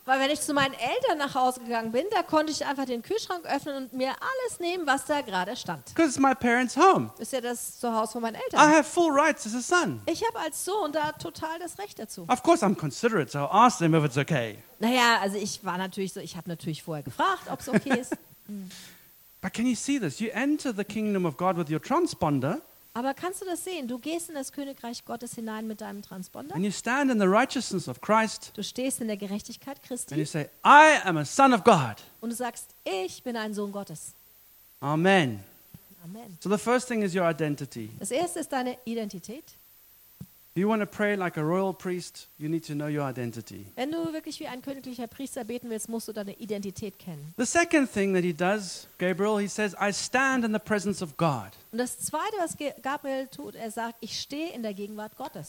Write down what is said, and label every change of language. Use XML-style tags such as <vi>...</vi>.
<de>Weil wenn ich zu meinen Eltern nach Hause gegangen bin, da konnte ich einfach den Kühlschrank öffnen und mir alles nehmen, was da gerade stand.</de> <en>Because it's my parents' home.</en> <de>Ist ja das Zuhause von meinen Eltern.</de> <en>I have full rights as a son.</en> <de>Ich habe als Sohn da total das Recht dazu.</de> <en>Of course I'm considerate, so I'll ask them if it's okay.</en> <de>Naja, also ich war natürlich so, ich habe natürlich vorher gefragt, ob es okay ist.</de> <en>But can you see this? You enter the kingdom of God with your transponder.</en> <de>Aber kannst du das sehen? Du gehst in das Königreich Gottes hinein mit deinem Transponder.</de> <en>And you stand in the righteousness of Christ.</en> <de>Du stehst in der Gerechtigkeit Christi.</de> <en>And you say, I am a son of God.</en> <de>Und du sagst, ich bin ein Sohn Gottes. Amen. Amen.</de> <en>So the first thing is your identity.</en> <de>Das erste ist deine Identität.</de> <en>If you want to pray like a royal priest, you need to know your identity.</en> <de>Wenn du wirklich wie ein königlicher Priester beten willst, musst du deine Identität kennen.</de> <en>The second thing that he does, Gabriel, he says, I stand in the presence of God.</en> <de>Und das zweite, was Gabriel tut, er sagt, ich stehe in der Gegenwart Gottes.</de>